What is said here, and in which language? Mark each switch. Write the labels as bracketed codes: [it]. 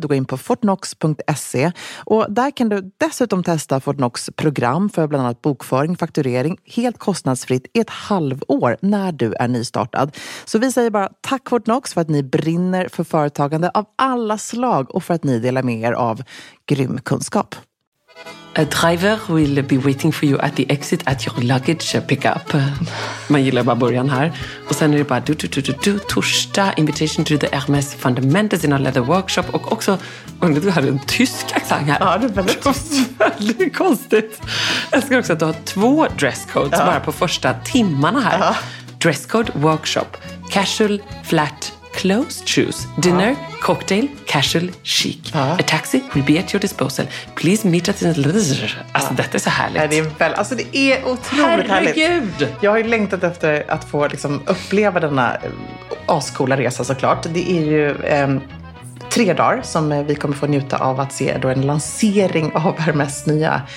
[sv] Du går in på fortnox.se och där kan du dessutom testa Fortnox program för bland annat bokföring, fakturering, helt kostnadsfritt i ett halvår när du är nystartad. Så vi säger bara tack Fortnox för att ni brinner för företagande av alla slag och för att ni delar med er av grym kunskap. [en] A driver will be waiting for you at the exit at your luggage pickup. [sv] Man gillar bara början här. Och sen är det bara du, torsdag, [en] invitation to the Hermes Fundamentals in a leather workshop. [sv] Och också, du hade en tysk accent här. Ja, det är väldigt, väldigt konstigt. Jag ska också att du har två dresscodes bara på första timmarna här. Ja. [en] Dresscode workshop, casual, flat, closed shoes, dinner, cocktail, casual, chic. [sv] Ja. [en] A taxi will be at your disposal. Please meet us in the... [sv] Alltså, detta är så härligt. Ja, det är väl, alltså, det är otroligt. Härligt. Jag har ju längtat efter att få liksom, uppleva denna ascoola resa, såklart. Det är ju 3 dagar som vi kommer få njuta av att se då en lansering av Hermes nya